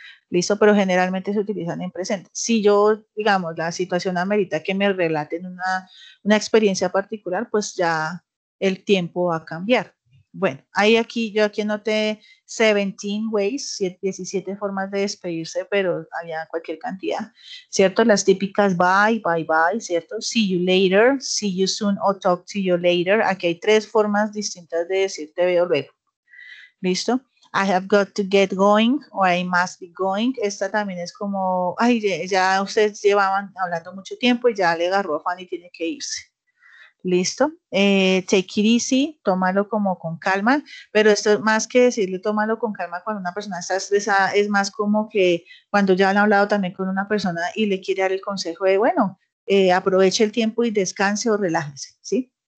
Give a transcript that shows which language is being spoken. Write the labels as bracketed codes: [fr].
[es] Listo, pero generalmente se utilizan en presente. Si yo, digamos, la situación amerita que me relaten una experiencia particular, pues ya el tiempo va a cambiar. Bueno, yo aquí anoté 17 ways, 17 formas de despedirse, pero había cualquier cantidad, ¿cierto? Las típicas [en] bye, bye, bye, [es] ¿cierto? [en] See you later, see you soon o talk to you later. [es] Aquí hay tres formas distintas de decir te veo luego. ¿Listo? [en] I have got to get going o I must be going. [es] Esta también es como, ay, ya ustedes llevaban hablando mucho tiempo y ya le agarró afán y tiene que irse. Listo. [en] Take it easy, [es] tómalo como con calma, pero esto más que decirle tómalo con calma cuando una persona está estresada, es más como que cuando ya han hablado también con una persona y le quiere dar el consejo de, bueno, aproveche el tiempo y descanse o relájese, ¿sí?